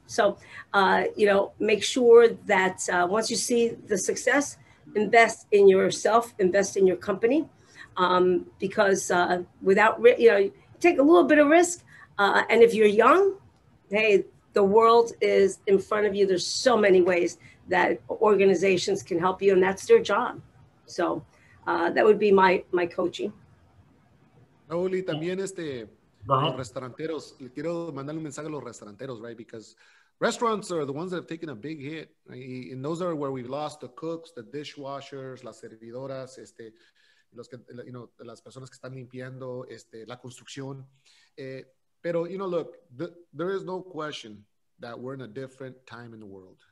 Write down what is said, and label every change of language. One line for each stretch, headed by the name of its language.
English: So, make sure that once you see the success, invest in yourself, invest in your company, because without, take a little bit of risk. And if you're young, hey, the world is in front of you. There's so many ways that organizations can help you, and that's their job. So that would be my coaching.
Spanish: Raúl, y también los restauranteros, quiero mandarle un mensaje a los restauranteros,
English: right? Because restaurants are the ones that have taken a big hit, right? And those are where we've lost the cooks, the dishwashers,
Spanish: las servidoras, las personas que están limpiando, la construcción.
English: Pero, there is no question that we're in a different time in the world.